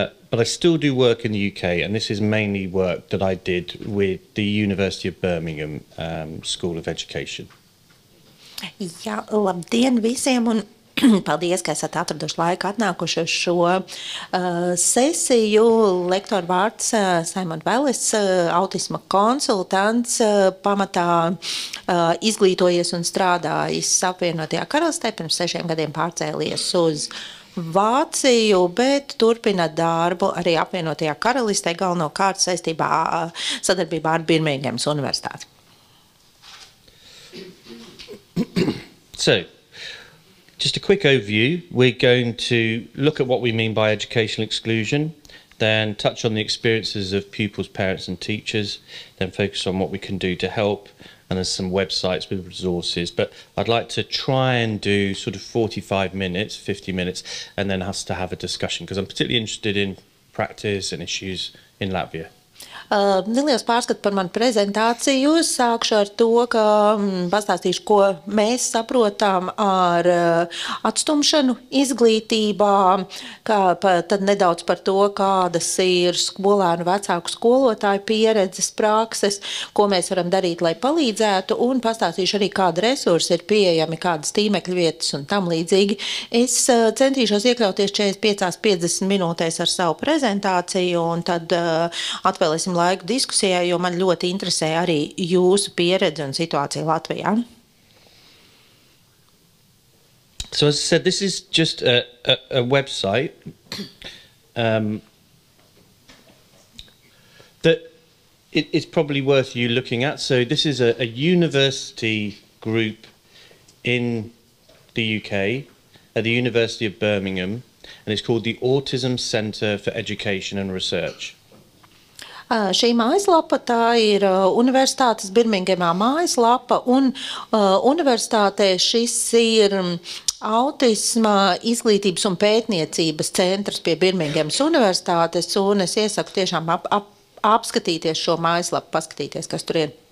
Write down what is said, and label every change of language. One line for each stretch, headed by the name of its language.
English: But I still do work in the UK, and this is mainly work that I did with the University of Birmingham School of Education.
Latvian: Jā, labdien visiem, un paldies, ka esat atraduši laiku atnākuši uz šo sesiju. Lektora vārds Simon Wallace, autisma konsultants, pamatā izglītojies un strādājis Apvienotajā Karalistē, pirms 6 gadiem pārcēlies uz Vāciju, bet turpina darbu arī Apvienotajā Karalistē, galvenokārt saistībā sadarbībā ar Birmingemas universitāti.
English: So, just a quick overview. We're going to look at what we mean by educational exclusion, then touch on the experiences of pupils, parents and teachers, then focus on what we can do to help, and there's some websites with resources. But I'd like to try and do sort of 45 minutes, 50 minutes, and then us to have a discussion, because I'm particularly interested in practice and issues in Latvia.
Latvian: Neliels pārskats par manu prezentāciju. Sākšu ar to, ka pastāstīšu, ko mēs saprotam ar atstumšanu izglītībā, ka tad nedaudz par to, kādas ir skolēnu vecāku skolotāju pieredzes, prakses, ko mēs varam darīt, lai palīdzētu, un pastāstīšu arī, kāda resursa ir pieejami, kādas tīmekļa vietas un tam līdzīgi. Es centīšos iekļauties 45-50 minūtēs ar savu prezentāciju, un tad atvēlēsim laiku diskusijai, jo man ļoti interesē arī jūsu pieredze un situācija Latvijā.
English: So as I said, this is just a website that it's probably worth you looking at. So this is a university group in the UK at the University of Birmingham, and it's called the Autism Centre for Education and Research.
Latvian: Šī mājaslapa, tā ir universitātes Birmingemā mājaslapa, un universitātē šis ir autisma izglītības un pētniecības centrs pie Birmingemas universitātes, un es iesaku tiešām apskatīties šo mājaslapu, paskatīties, kas tur ir.